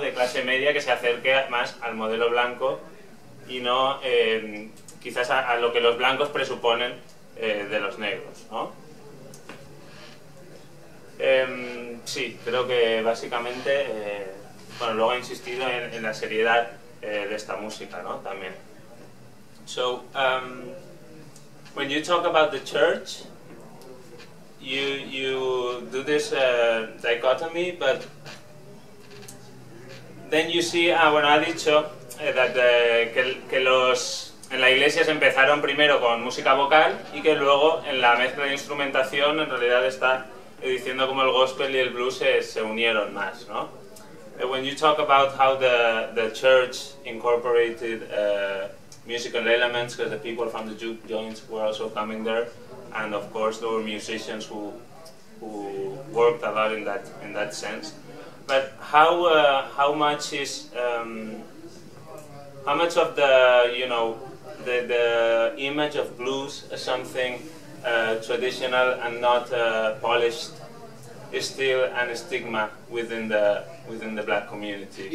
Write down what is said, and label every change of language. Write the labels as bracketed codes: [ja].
[es] De clase media que se acerque más al modelo blanco y no... quizás a lo que los blancos presuponen de los negros, ¿no? Sí, creo que básicamente, bueno, luego he insistido en la seriedad de esta música, ¿no? También. [en] So, when you talk about the church, you do this dichotomy, but then you see, [es] bueno, ha dicho que los... En la iglesia se empezaron primero con música vocal y que luego en la mezcla de instrumentación en realidad está diciendo cómo el gospel y el blues se unieron más, ¿no? [en] When you talk about how the church incorporated musical elements, because the people from the juke joints were also coming there, and of course there were musicians who worked a lot in that sense, but how much of the, you know, the image of blues as something traditional and not polished is still a stigma within the black community.